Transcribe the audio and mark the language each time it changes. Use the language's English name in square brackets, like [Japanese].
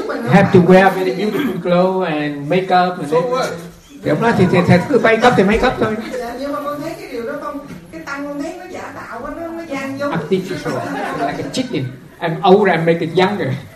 [English] Have to wear very beautiful clothes and make up. So what? [Vietnamese] Thì ông nói thì make up thì make up thôi. Dạ, nhưng mà con thấy cái điều đó không? Cái tăng con thấy nó giả tạo quá, nó gian dối. [English] Artificial, like a chicken. I'm older and make it younger.